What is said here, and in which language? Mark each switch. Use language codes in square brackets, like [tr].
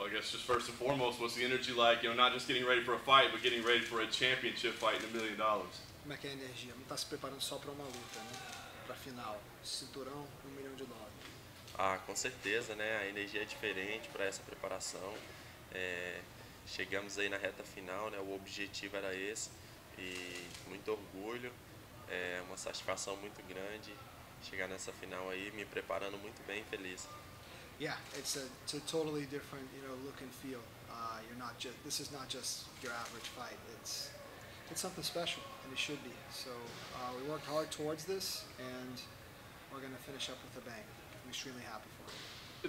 [en] guess just first and foremost, what's the energy like, you know, not just getting ready for a fight, but getting ready for a championship fight in $1 million? [pt] Como é que é a energia? Não tá se preparando só para uma luta, né? Para final, cinturão, $1 million. Ah, com certeza, né? A energia é diferente para essa preparação. Chegamos aí na reta final, né? O objetivo era esse. E muito orgulho, uma satisfação muito grande chegar nessa final aí, me preparando muito bem, feliz. [en] Yeah, it's a totally different, you know, look and feel. This is not just your average fight. It's something special, and it should be. So we worked hard towards this, and we're gonna finish up with a bang. I'm extremely happy for you.